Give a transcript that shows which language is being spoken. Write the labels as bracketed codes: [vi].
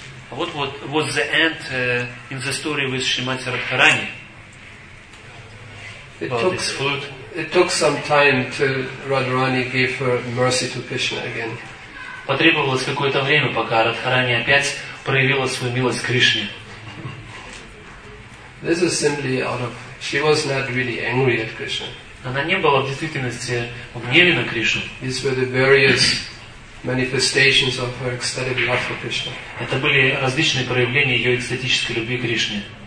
[en] What was the end in the story with Shrimati Radharani? It took some time till Radharani gave her mercy to Krishna again. [ru] Потребовалось какое-то время, пока Радхарани опять проявила свою милость Кришне. [en] This is simply out of she was not really angry at Krishna. [ru] Она не была в действительности в гневе на Кришну. [en] These were the various manifestations of her ecstatic love for Krishna. [ru] Это были различные проявления ее экстатической любви к Кришне.